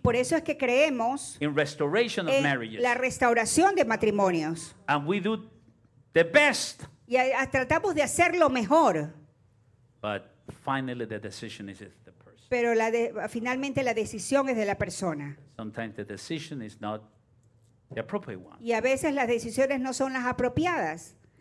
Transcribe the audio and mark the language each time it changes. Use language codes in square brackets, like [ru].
[es] Por eso es que creemos [en] in restoration of marriages. [es] La restauración de matrimonios. [en] And we do the best. [es] Y tratamos de hacer lo mejor. [en] But finally, the decision is the person. [es] Pero finalmente la decisión es de la persona. [en] Sometimes the decision is not the appropriate one. [es] Y a veces las decisiones no son las apropiadas.